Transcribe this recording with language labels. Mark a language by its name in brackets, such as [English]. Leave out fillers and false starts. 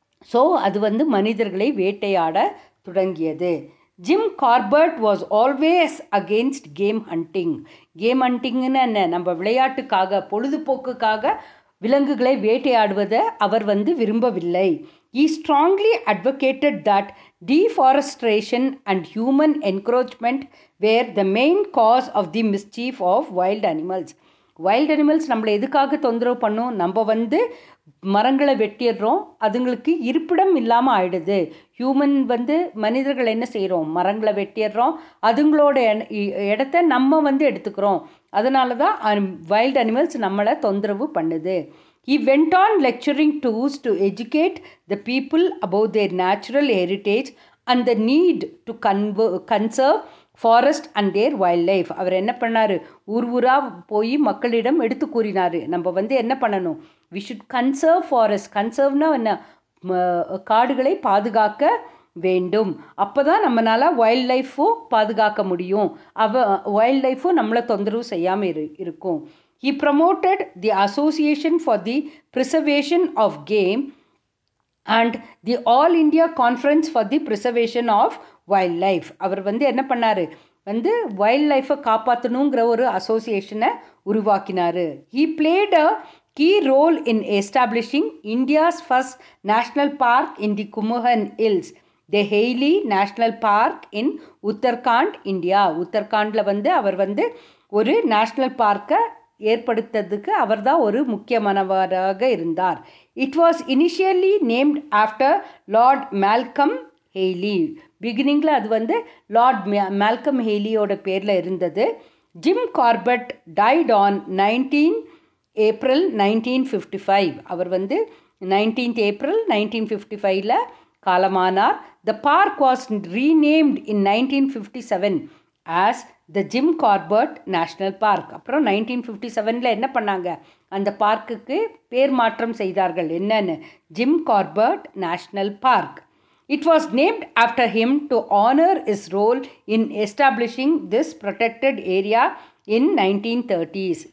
[Tamil] So அது வந்து மனிதர்களை வேட்டையாட தொடங்கியது. [English] Jim Corbett was always against game hunting. [Tamil] Game ஹண்டிங்னு என்ன, நம்ம விளையாட்டுக்காக பொழுதுபோக்குக்காக விலங்குகளை வேட்டையாடுவதை அவர் வந்து விரும்பவில்லை. [English] He strongly advocated that deforestation and human encroachment were the main cause of the mischief of wild animals. [Tamil] Wild animals நம்மளை எதுக்காக தொந்தரவு பண்ணும், நம்ம வந்து மரங்களை வெட்டிடுறோம், அதுங்களுக்கு இருப்பிடம் இல்லாமல் ஆயிடுது. ஹியூமன் வந்து மனிதர்கள் என்ன செய்கிறோம், மரங்களை வெட்டிடுறோம், அதுங்களோட இடத்த நம்ம வந்து எடுத்துக்கிறோம், அதனால தான் வைல்ட் அனிமல்ஸ் நம்மளை தொந்தரவு பண்ணுது. [English] He went on lecturing tours to educate the people about their natural heritage and the need to conserve forest and their wildlife. [Tamil] அவர் என்ன பண்ணார், ஊர் ஊராக போய் மக்களிடம் எடுத்து கூறினார், நம்ம வந்து என்ன பண்ணணும், [English] We should conserve forest. [Tamil] கன்சர்வ்னா என்ன, காடுகளை பாதுகாக்க வேண்டும், அப்போ தான் நம்மளால வைல்ட் லைஃபும் பாதுகாக்க முடியும், வைல்ட் லைஃபும் நம்மளை தொந்தரவு செய்யாமல் இருக்கும். [English] He promoted the Association for the Preservation of Game and the All India Conference for the Preservation of Wildlife. [Tamil] அவர் வந்து என்ன பண்ணார், வந்து வைல்ட் லைஃபை காப்பாற்றணுங்கிற ஒரு அசோசியேஷனை உருவாக்கினார். [English] He played a key role in establishing India's first national park in the Kumuhan Hills, the Haili National Park in Uttarakhand, India. [Tamil] உத்தரகாண்டில் வந்து அவர் வந்து ஒரு நேஷ்னல் பார்க்கை ஏற்படுத்ததுக்கு அவர் தான் ஒரு முக்கியமானவராக இருந்தார். [English] It was initially named after Lord Malcolm Hailey. [Tamil] பிகினிங்கில் அது வந்து லார்ட் மேல்கம் ஹெய்லியோட பேரில் இருந்தது. [English] Jim Corbett died on 19 April 1955. [Tamil] அவர் வந்து 19th April 1955 காலமானார். [English] The park was renamed in 1957 as the Jim Corbett National Park. [Tamil] அப்புறம் 1957 என்ன பண்ணாங்க, அந்த பார்க்குக்கு பேர் மாற்றம் செய்தார்கள். என்னன்னு, [English] Jim Corbett National Park. It was named after him to honour his role in establishing this protected area in 1930s.